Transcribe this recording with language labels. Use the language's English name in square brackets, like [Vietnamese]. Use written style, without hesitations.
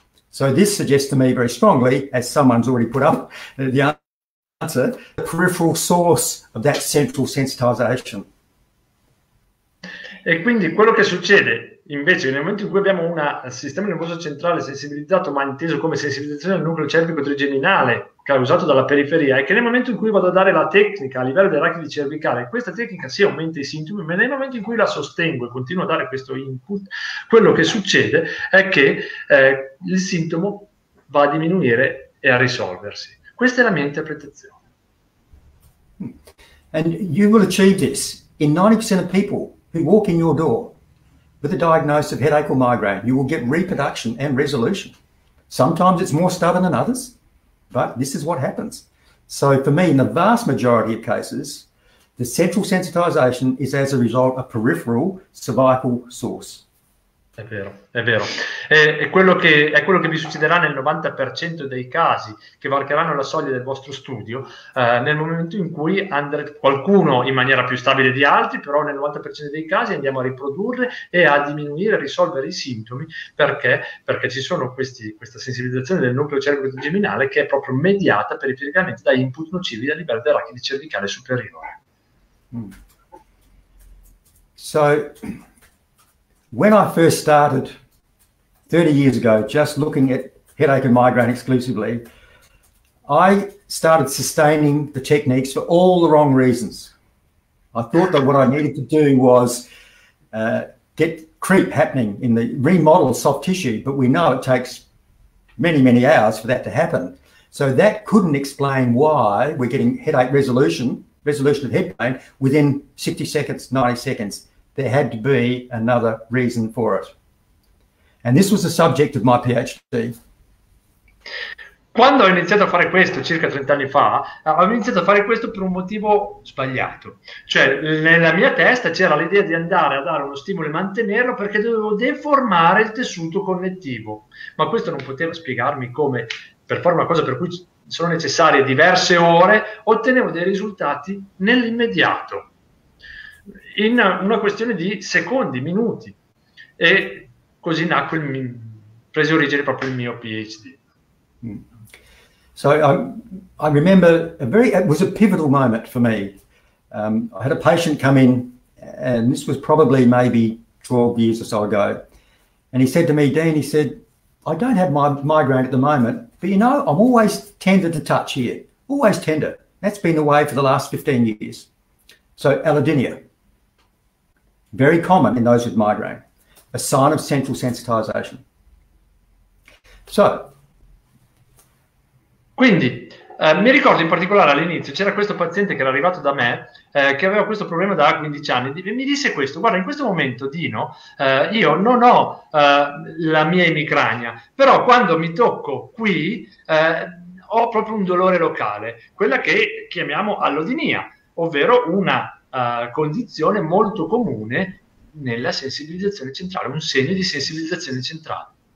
[English] So this suggests to me very strongly, as someone's already put up the answer, the peripheral source of that central sensitization. [Italian] E quindi quello che succede invece nel momento in cui abbiamo un sistema nervoso centrale sensibilizzato, ma inteso come sensibilizzazione del nucleo cervico trigeminale causato dalla periferia, è che nel momento in cui vado a dare la tecnica a livello dell'arachidi cervicale, questa tecnica sì aumenta i sintomi, ma nel momento in cui la sostengo e continuo a dare questo input, quello che succede è che il sintomo va a diminuire e a risolversi. Questa è la mia interpretazione. [English] And you will achieve this in 90% of people who walk in your door with a diagnosis of headache or migraine. You will get reproduction and resolution. Sometimes it's more stubborn than others, but this is what happens. So for me, in the vast majority of cases, the central sensitization is as a result of peripheral cervical source. [Italian] È vero, è vero. È quello che vi succederà nel 90% dei casi che varcheranno la soglia del vostro studio, nel momento in cui andrete, qualcuno in maniera più stabile di altri, però nel 90% dei casi andiamo a riprodurre e a diminuire, a risolvere i sintomi. Perché? Perché ci sono questa sensibilizzazione del nucleo cervico trigeminale che è proprio mediata perifericamente da input nocivi a livello dell'arachidi cervicale superiore. [English] When I first started 30 years ago, just looking at headache and migraine exclusively, I started sustaining the techniques for all the wrong reasons. I thought that what I needed to do was get creep happening in the remodel soft tissue, but we know it takes many, many hours for that to happen. So that couldn't explain why we're getting headache resolution of head pain within 60 seconds, 90 seconds. There had to be another reason for it. And this was the subject of my PhD. [Italian] Quando ho iniziato a fare questo circa 30 anni fa, ho iniziato a fare questo per un motivo sbagliato. Cioè, nella mia testa c'era l'idea di andare a dare uno stimolo e mantenerlo perché dovevo deformare il tessuto connettivo. Ma questo non poteva spiegarmi come, per fare una cosa per cui sono necessarie diverse ore, ottenevo dei risultati nell'immediato. In una questione di secondi, minuti, e così nacque prese origine proprio il mio PhD. [English] So I remember it was a pivotal moment for me. I had a patient come in, and this was probably maybe 12 years or so ago, and he said to me, Dean, he said, I don't have my migraine at the moment, but you know, I'm always tender to touch here, always tender. That's been the way for the last 15 years. So allodynia. Very common in those with migraine, a sign of central sensitization. So. [Italian] Quindi, mi ricordo in particolare all'inizio, c'era questo paziente che era arrivato da me, che aveva questo problema da 15 anni, e mi disse questo, guarda, in questo momento, Dino, io non ho la mia emicrania, però quando mi tocco qui, ho proprio un dolore locale, quella che chiamiamo allodinia, ovvero una condizione molto comune nella sensibilizzazione centrale, un segno di sensibilizzazione centrale.